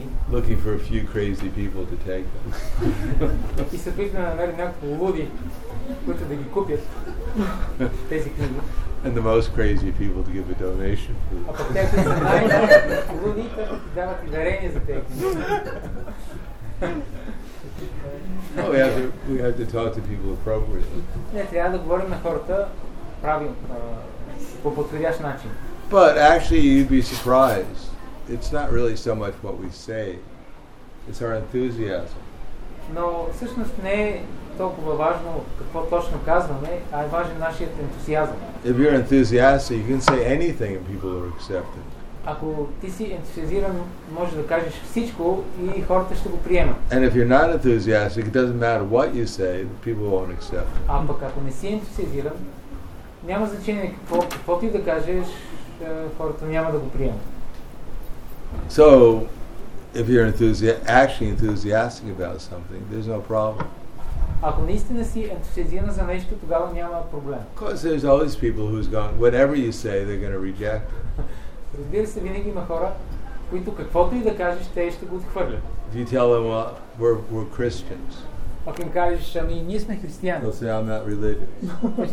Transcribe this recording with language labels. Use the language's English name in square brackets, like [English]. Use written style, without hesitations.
[English] Looking for a few crazy people to take them. And the most crazy people to give a donation for them. Well, we have to talk to people appropriately. [Bulgarian] Не, трябва да говорим на хората правилно, по подходящ начин. [English] But actually you'd be surprised. It's not really so much what we say. It's our enthusiasm. [Bulgarian] Но всъщност не е толкова важно какво точно казваме, а е важен нашият ентусиазъм. [English] If you're enthusiastic, you can say anything and people will accept it. [Bulgarian] Ако ти си ентусиазиран, можеш да кажеш всичко и хората ще го приемат. [English] And if you're not enthusiastic, it doesn't matter what you say, people won't accept it. [Bulgarian] А пък ако не си ентусиазиран, няма значение какво ти да кажеш, хората няма да го приемат. [English] So, if you're actually enthusiastic about something, there's no problem. [Bulgarian] Ако наистина си ентусиазиран за нещо, тогава няма проблем. [English] Because there's always people who's going, whatever you say, they're going to reject it. [Bulgarian] Разбира се, винаги има хора, които каквото и да кажеш, те ще го отхвърлят. [English] If you tell them, well, we're Christians. [Bulgarian] Ако им кажеш, ами ние сме християни. [English] They'll say, I'm not religious.